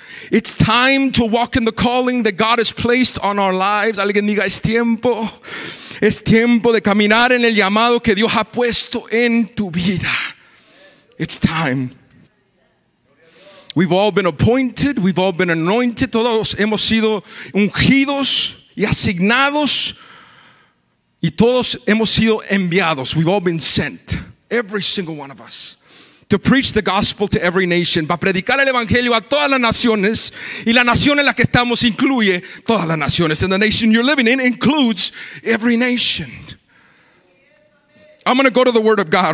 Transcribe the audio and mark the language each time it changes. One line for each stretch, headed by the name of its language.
English: It's time to walk in the calling that God has placed on our lives.
Spanish: Alguien diga, es tiempo de caminar en el llamado que Dios ha puesto en tu vida.
English: It's time. We've all been appointed, we've all been anointed.
Spanish: Todos hemos sido ungidos y asignados, y todos hemos sido enviados.
English: We've all been sent, every single one of us. To preach the gospel to every nation.
Spanish: Para predicar el evangelio a todas las naciones. Y la nación en la que estamos incluye todas las naciones.
English: And the nation you're living in includes every nation. I'm going to go to the word of God.